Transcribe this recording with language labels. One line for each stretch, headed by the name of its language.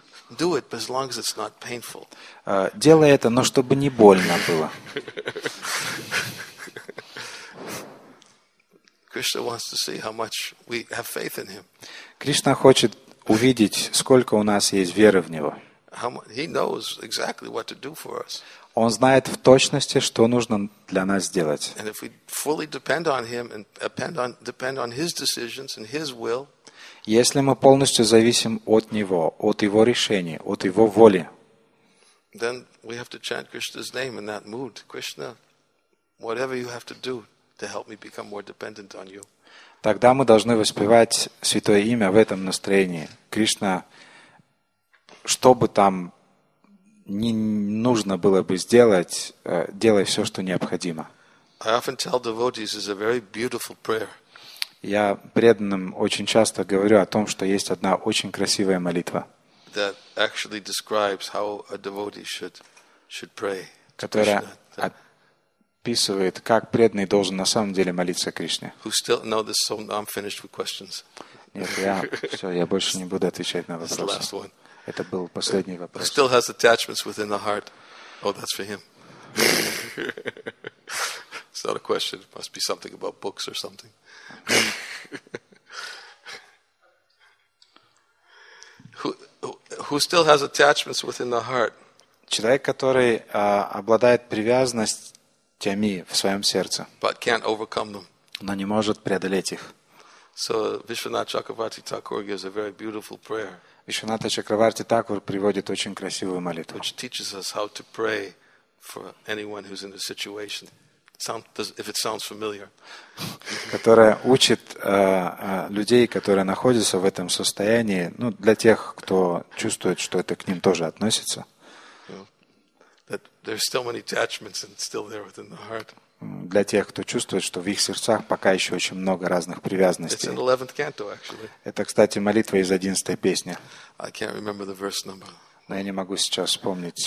English: Do it, as long as it's not painful.
Russian: Делай это, но чтобы не больно было.
English: Krishna wants to see how much we have faith in him.
Russian: Кришна хочет увидеть, сколько у нас есть веры в него.
English: He knows exactly what to do for us.
Russian: Он знает в точности, что нужно для нас сделать.
English: And if we fully depend on him and depend on his decisions and his will,
Russian: если мы полностью зависим от него, от его решений, от его воли,
English: then we have to chant Krishna's name in that mood. Krishna, whatever you have to do to help me become more dependent on you.
Russian: Тогда мы должны воспевать святое имя в этом настроении. Кришна, что бы там ни нужно было бы сделать, делай все, что необходимо.
English: I often tell devotees it's a very beautiful prayer.
Russian: Я преданным очень часто говорю о том, что есть одна очень красивая молитва,
English: that actually describes how a devotee should pray.
Russian: Которая описывает, как преданный должен на самом деле молиться Кришне.
English: I'm finished with questions.
Russian: Нет, я больше не буду отвечать на вопросы.
English: Last one.
Russian: Это был последний вопрос.
English: Still has attachments within the heart. Oh, that's for him. It's not a question. It must be something about books or something. Who still has attachments within the heart?
Russian: Человек, который обладает привязанностями в своем сердце,
English: but can't overcome them.
Russian: Но не может преодолеть их.
English: So Vishwanath Chakravarti Thakur gives a very beautiful prayer.
Russian: Вишванатха Чакраварти Такур приводит очень красивую молитву,
English: which teaches us how to pray for anyone who's in a situation. If it sounds familiar.
Russian: Которая учит людей, которые находятся в этом состоянии, ну, для тех, кто чувствует, что это к ним тоже относится.
English: That there's still many attachments and still there within the heart.
Russian: Для тех, кто чувствует, что в их сердцах пока еще очень много разных привязанностей.
English: It's in the 11th canto, actually.
Russian: Это, кстати, молитва из 11-й песни.
English: I can't remember the verse number.
Russian: Но я не могу сейчас вспомнить.